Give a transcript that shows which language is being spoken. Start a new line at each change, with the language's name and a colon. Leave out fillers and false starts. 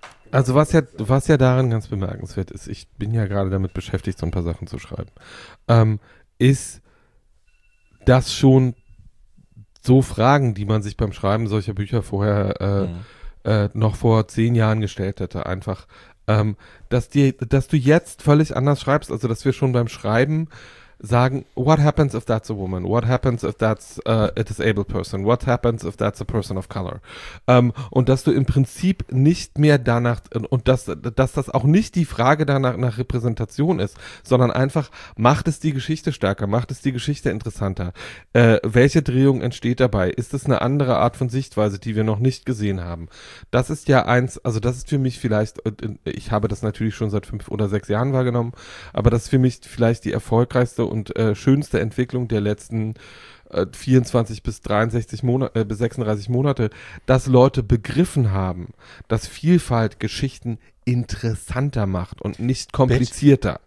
German: Also was ja daran ganz bemerkenswert ist, ich bin ja gerade damit beschäftigt, so ein paar Sachen zu schreiben, ist, dass schon so Fragen, die man sich beim Schreiben solcher Bücher vorher noch vor 10 Jahren gestellt hätte, einfach, dass du jetzt völlig anders schreibst, also dass wir schon beim Schreiben sagen,
English: what happens if that's a woman? What happens if that's a disabled person? What happens if that's a person of color?
German: Und dass du im Prinzip nicht mehr danach, und dass das auch nicht die Frage danach nach Repräsentation ist, sondern einfach, macht es die Geschichte stärker? Macht es die Geschichte interessanter? Welche Drehung entsteht dabei? Ist es eine andere Art von Sichtweise, die wir noch nicht gesehen haben? Das ist ja eins, also das ist für mich vielleicht, ich habe das natürlich schon seit 5 oder 6 Jahren wahrgenommen, aber das ist für mich vielleicht die erfolgreichste und schönste Entwicklung der letzten 36 Monate, dass Leute begriffen haben, dass Vielfalt Geschichten interessanter macht und nicht komplizierter.